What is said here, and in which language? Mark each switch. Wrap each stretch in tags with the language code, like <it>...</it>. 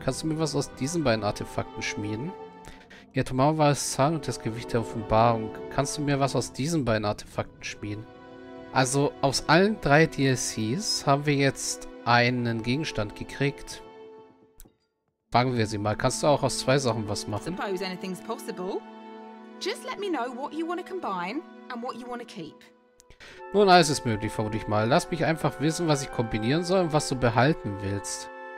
<de>Kannst du mir was aus diesen beiden Artefakten schmieden? Ja, Tomarowais Zahn und das Gewicht der Offenbarung. Kannst du mir was aus diesen beiden Artefakten schmieden? Also, aus allen drei DLCs haben wir jetzt einen Gegenstand gekriegt. Fragen wir sie mal. Kannst du auch aus zwei Sachen was machen?</de> <en>Suppose anything's possible. Just let me know what you want to combine and what you want to keep.</en> <de>Nun, alles ist möglich, vermute ich mal. Lass mich einfach wissen, was ich kombinieren soll und was du behalten willst.</de>